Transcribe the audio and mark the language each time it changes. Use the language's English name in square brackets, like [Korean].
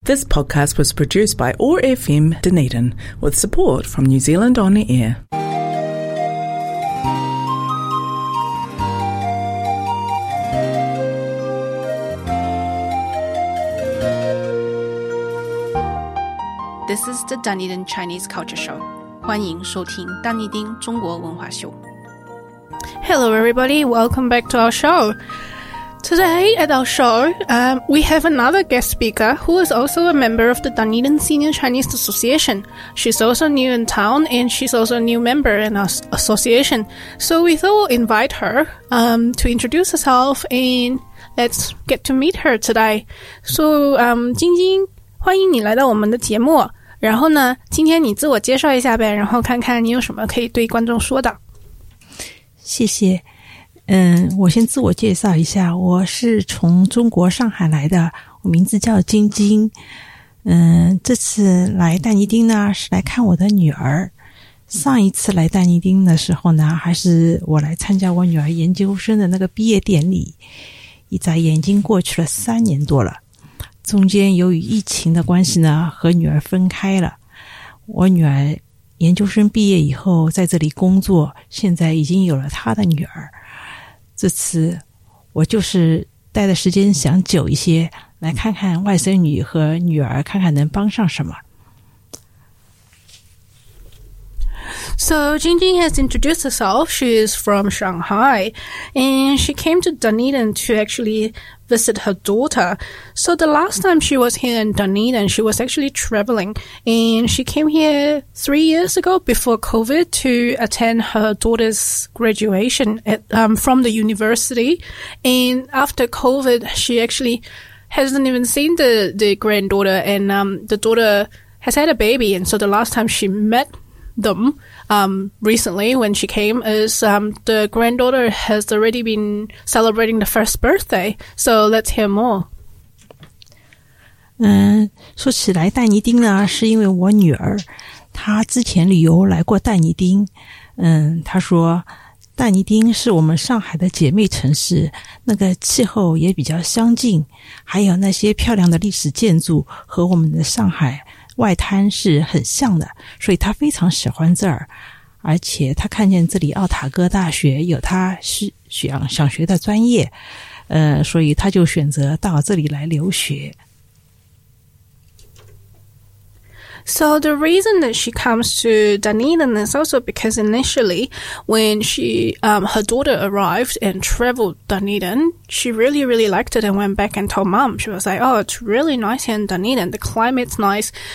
[English] This podcast was produced by ORFM Dunedin with support from New Zealand On Air. This is the Dunedin Chinese Culture Show. [Chinese] 欢迎收听 Dunedin 中国文化秀。 [English] Hello everybody, welcome back to our show. Today at our show, we have another guest speaker who is also a member of the Dunedin Senior Chinese Association. She's also new in town and she's also a new member in our association. So we thought we'll invite her to introduce herself and let's get to meet her today. [Chinese] So, 晶晶，欢迎你来到我们的节目。然后呢，今天你自我介绍一下呗，然后看看你有什么可以对观众说的。谢谢。我先自我介绍一下，我是从中国上海来的，我名字叫晶晶。这次来丹尼丁呢是来看我的女儿。上一次来丹尼丁的时候呢，还是我来参加我女儿研究生的那个毕业典礼。一眨眼已经过去了三年多了，中间由于疫情的关系呢和女儿分开了。我女儿研究生毕业以后在这里工作，现在已经有了她的女儿。这次我就是待的时间想久一些，来看看外甥女和女儿，看看能帮上什么。 [English] So, Jingjing has introduced herself. She is from Shanghai, and she came to Dunedin to actually visit her daughter. So the last time she was here in Dunedin, she was actually traveling, and she came here 3 years ago before COVID to attend her daughter's graduation from the university. And after COVID, she actually hasn't even seen the granddaughter, and the daughter has had a baby. And so the last time she met them recently when she came is the granddaughter has already been celebrating the first birthday. So let's hear more. [Chinese] 说起来丹尼丁呢，是因为我女儿她之前旅游来过丹尼丁。她说丹尼丁是我们上海的姐妹城市，那个气候也比较相近，还有那些漂亮的历史建筑和我们的上海外滩是很像的，所以他非常喜欢这儿，而且他看见这里奥塔哥大学有他想学的专业，所以他就选择到这里来留学。 [English] So the reason that she comes to Dunedin is also because initially when she, her daughter arrived and traveled Dunedin, she really, really liked it and went back and told mom. She was like, oh, it's really nice here in Dunedin. The climate's nice.